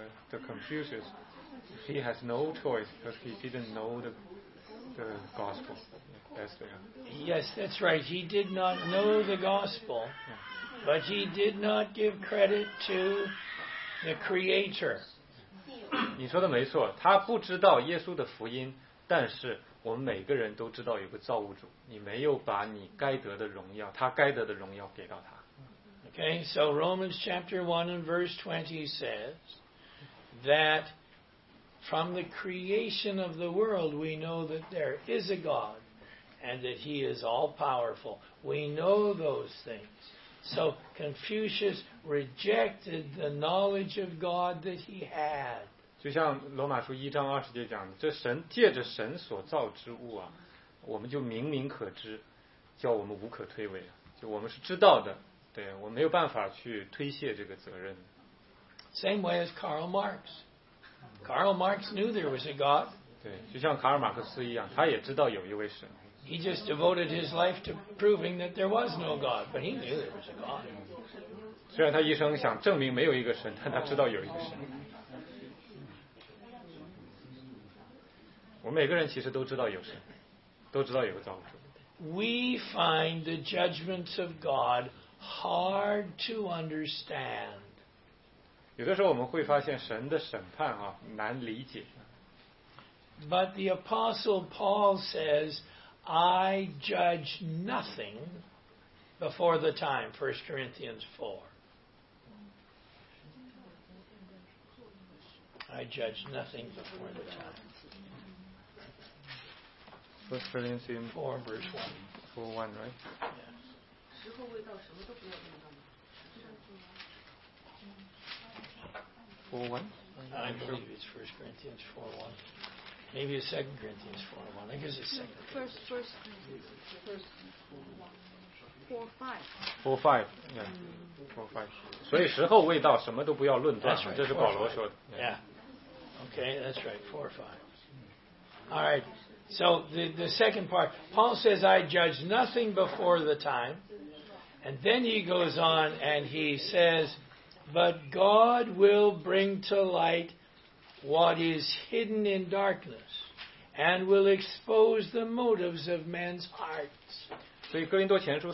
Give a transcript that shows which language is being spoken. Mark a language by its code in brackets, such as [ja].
[en] The Confucius, he has no choice because he didn't know the gospel. Yes, that's right. He did not know the gospel. Yeah. But he did not give credit to the Creator. [zh] 你说的没错，他不知道耶稣的福音，但是我们每个人都知道有个造物主。你没有把你该得的荣耀，他该得的荣耀给到他。 [en] Okay, so Romans chapter 1 and verse 20 says that from the creation of the world we know that there is a God and that he is all powerful. We know those things. So Confucius rejected the knowledge of God that he had. [zh] 就像罗马书一章二十节讲的，这神借着神所造之物啊，我们就明明可知，叫我们无可推诿。就我们是知道的，对，我没有办法去推卸这个责任。 [en] Same way as Karl Marx. Karl Marx knew there was a God. [zh] 对，就像卡尔马克思一样，他也知道有一位神。 [en] He just devoted his life to proving that there was no God, but he knew there was a God. [zh] 虽然他一生想证明没有一个神，但他知道有一个神。我们每个人其实都知道有神，都知道有个造物主。 [en] We find the judgments of God hard to understand. [zh] 有的时候我们会发现神的审判啊难理解。 [en] But the Apostle Paul says. I judge nothing before the time, 1 Corinthians 4. I judge nothing before the time. 1 Corinthians 4, verse 1. 4, 1, right? Yes. 4, 1? I believe it's 1 Corinthians 4, 1. Maybe it's 2 Corinthians 4, 1. I guess it's 2 Corinthians. 1 Corinthians 4:5. 4:5. [zh] 所以时候未到，什么都不要论断。 [en] That's right, [zh] 这是保罗说的。 [en] Yeah. Okay, that's right, 4:5. All right, so the second part, Paul says, I judge nothing before the time. And then he goes on and he says, but God will bring to light what is hidden in darkness and will expose the motives of men's hearts.